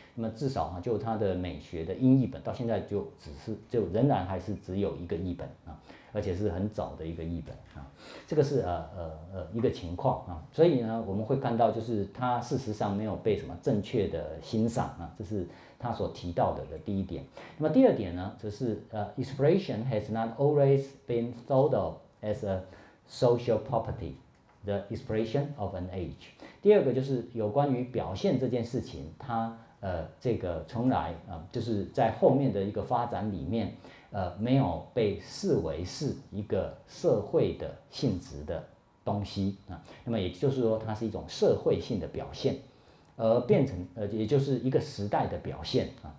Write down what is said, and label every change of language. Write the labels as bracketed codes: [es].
[zh] 那么至少哈、啊，就他的美学的英译本到现在就仍然还是只有一个译本啊，而且是很早的一个译本啊。这个是一个情况啊。所以呢，我们会看到就是他事实上没有被什么正确的欣赏啊，这是他所提到的第一点。那么第二点呢，则是 [en] expression has not always been thought of as a social property。 The expression of an age。 [zh] 第二个就是有关于表现这件事情，它这个从来就是在后面的一个发展里面没有被视为是一个社会的性质的东西啊。那么也就是说它是一种社会性的表现，而变成也就是一个时代的表现啊。